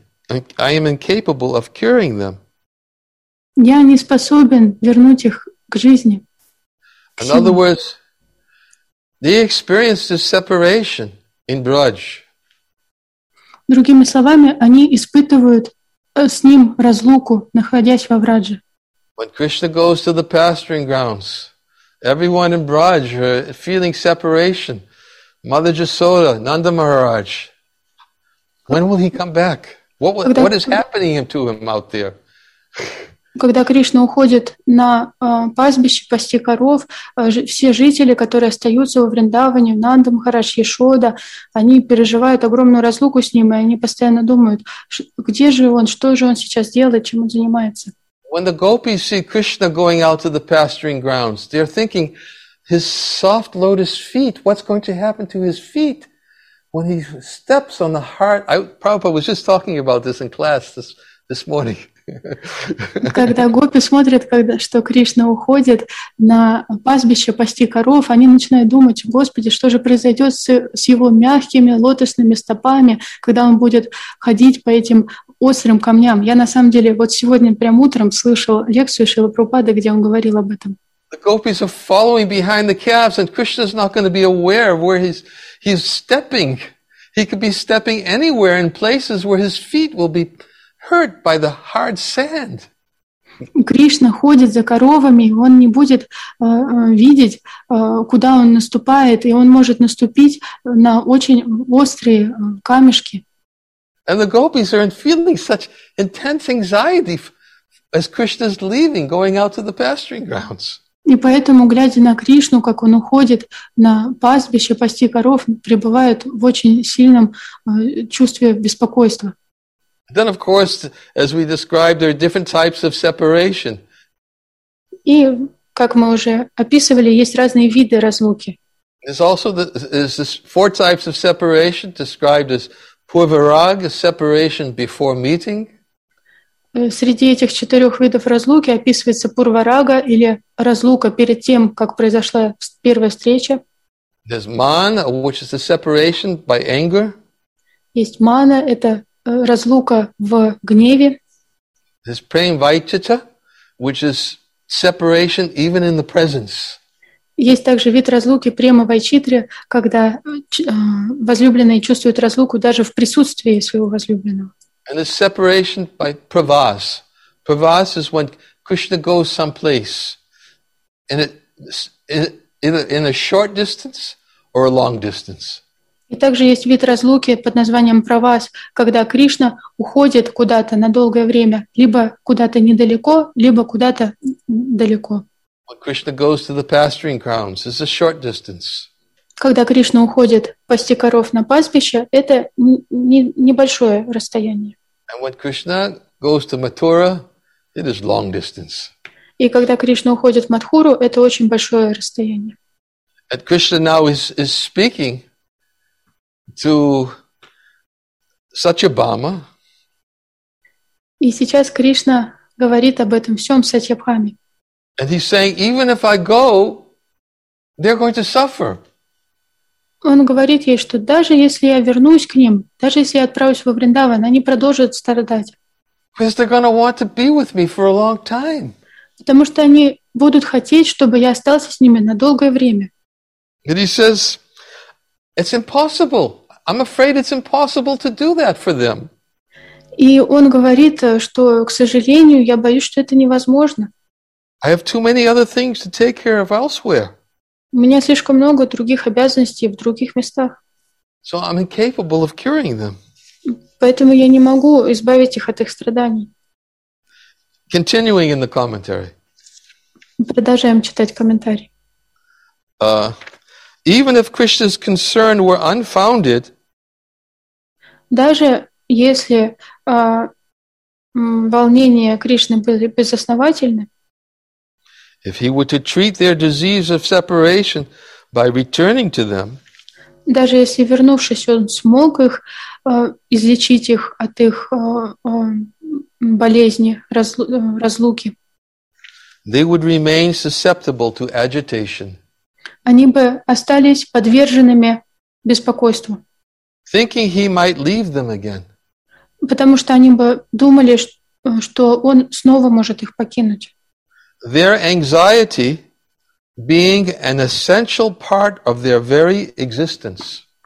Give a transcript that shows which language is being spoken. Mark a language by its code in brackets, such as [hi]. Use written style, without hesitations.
[en] I am incapable of curing them. [ru] Я не способен вернуть их к жизни. [en] In other words, they experienced this separation in Braj. [ru] Другими словами, они испытывают с ним разлуку, находясь во Врадже. [en] When Krishna goes to the pasturing grounds, everyone in Braj feeling separation. Mother Jasoda, Nanda Maharaj. When will he come back? What is happening to him out there? [ru] Когда Кришна уходит на пастбище пасти коров, все жители, которые остаются во Вриндаване, Нанда Махарадж, Яшода, они переживают огромную разлуку с ним, и они постоянно думают, где же он, что же он сейчас делает, чем он занимается. [en] When the gopis see Krishna going out to the pasturing grounds, they're thinking, his soft lotus feet, what's going to happen to his feet when he steps on the heart? Prabhupada was just talking about this in class this morning. [ru] Когда гопи смотрят, когда что Кришна уходит на пастбище пасти коров, они начинают думать: Господи, что же произойдет с его мягкими лотосными стопами, когда он будет ходить по этим острым камням? Я на самом деле вот сегодня прям утром слышал лекцию Шрилы Прабхупады, где он говорил об этом. [en] The gopis are following behind the calves, and Krishna's not going to be aware of where he's stepping. He could be stepping anywhere in places where his feet will be hurt by the hard sand. [ru] Кришна ходит за коровами, и он не будет видеть, куда он наступает, и он может наступить на очень острые камешки. [en] And the gopis are feeling such intense anxiety as Krishna's leaving, going out to the pasturing grounds. [ru] И поэтому, глядя на Кришну, как он уходит на пастбище пасти коров, пребывают в очень сильном чувстве беспокойства. [en] Then, of course, as we described, there are different types of separation. [ru] И, как мы уже описывали, есть разные виды разлуки. [en] There's also there's four types of separation described as purvarag, separation before meeting. [ru] Среди этих четырех видов разлуки описывается пурварага или разлука перед тем, как произошла первая встреча. [en] There's mana, which is the separation by anger. [ru] Есть мана, это разлука в гневе. [en] There's prem vaichita, which is separation even in the presence. [ru] Есть также вид разлуки према вайчитри, когда возлюбленные чувствуют разлуку даже в присутствии своего возлюбленного. [en] And there's separation by pravas. Pravas is when Krishna goes someplace and in a short distance or a long distance. [ru] И также есть вид разлуки под названием правас, когда Кришна уходит куда-то на долгое время, либо куда-то недалеко, либо куда-то далеко. [en] When Krishna goes to the pasturing grounds, it's a short distance. [ru] Когда Кришна уходит пасти коров на пастбище, это небольшое расстояние. [en] And when Krishna goes to Mathura, it is long distance. [ru] И когда Кришна уходит в Матхуру, это очень большое расстояние. [en] And Krishna now is speaking to Satyabhama. [ru] И сейчас Кришна говорит об этом всем Сатьябхаме. [en] And he's saying, even if I go, they're going to suffer. [ru] Он говорит ей, что даже если я вернусь к ним, даже если я отправлюсь во Вриндаван, они продолжат страдать. [en] Because they're going to want to be with me for a long time. [ru] Потому что они будут хотеть, чтобы я остался с ними на долгое время. [en] And he says, it's impossible. I'm afraid it's impossible to do that for them. [ru] И он говорит, что, к сожалению, я боюсь, что это невозможно. [en] I have too many other things to take care of elsewhere. [ru] У меня слишком много других обязанностей в других местах. [en] So I'm incapable of curing them. [ru] Поэтому я не могу избавить их от их страданий. [en] Continuing in the commentary. [ru] Продолжаем читать комментарий. [en] Even if Krishna's concern were unfounded, [ru] даже если волнения Кришны были безосновательны, [en] if he were to treat their disease of separation by returning to them, [ru] даже если, вернувшись, он смог их излечить их от их болезни, разлуки, [en] they would remain susceptible to agitation. [ru] Они бы остались подверженными беспокойству. [en] Thinking he might leave them again. [ru] Потому что они бы думали, что он снова может их покинуть. [en] Their anxiety being an essential part of their very existence.